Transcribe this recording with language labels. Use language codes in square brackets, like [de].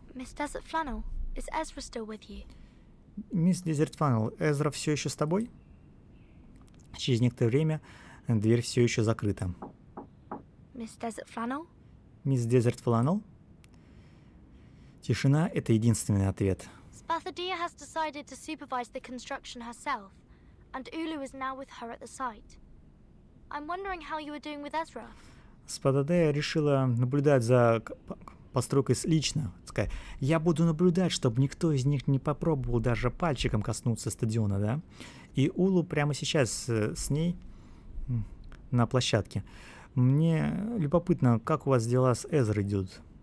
[en] Miss Desert Flannel, is Ezra still with you? [ru] Miss Desert Flannel, Ezra все еще с тобой? Через некоторое время дверь все еще закрыта. [en] Miss Desert Flannel? Miss Desert Flannel? [ru] Тишина — это единственный ответ. [en] Spathadia has decided to supervise the construction herself, and Ulu is now with her at the site. I'm wondering how you are doing with Ezra. [ru] Спададея решила наблюдать за постройкой лично. Такая, я буду наблюдать, чтобы никто из них не попробовал даже пальчиком коснуться стадиона, да? И Улу прямо сейчас с ней на площадке. Мне любопытно, как у вас дела с Эзрой идут?